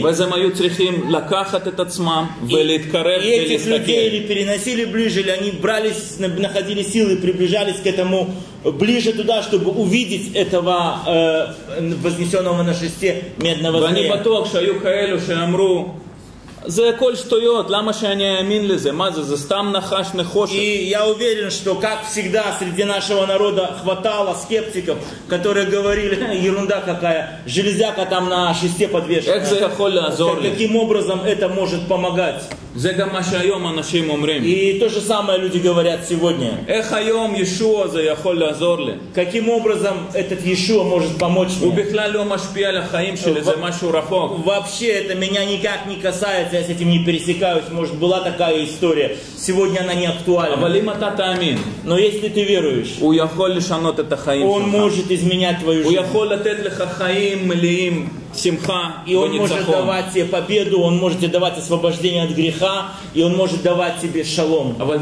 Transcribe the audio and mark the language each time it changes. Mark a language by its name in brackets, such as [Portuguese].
[Russian] И этих людей или переносили ближе, или они находили силы, приближались к этому ближе туда, чтобы увидеть этого вознесенного на шесте медного змея. И они потом, что они каэлю, что амру... [Hebrew] זה הכל שטויות, למה שאני אאמין לזה? מה זה? זה סתם נחש נחושת. [Russian] И я уверен, что как всегда среди нашего народа хватало скептиков, которые говорили, ерунда какая, железяка там на шесте подвешена. [Hebrew] איך זה יכול לעזור לי? [Russian] Каким образом это может помогать? [Hebrew] זה גם מה שהיום אנשים אומרים. [Russian] И то же самое люди говорят сегодня. [Hebrew] איך היום ישוע זה יכול לעזור לי? [Russian] Каким образом этот Иешуа может помочь мне? [Hebrew] הוא בכלל לא משפיע על החיים שלי, זה משהו רחוק. [Russian] Вообще это меня никак не касается. Я с этим не пересекаюсь. Может, была такая история. Сегодня она не актуальна. Но если ты веруешь, он может изменять твою жизнь. И он может давать тебе победу, он может тебе давать освобождение от греха, и он может давать тебе шалом.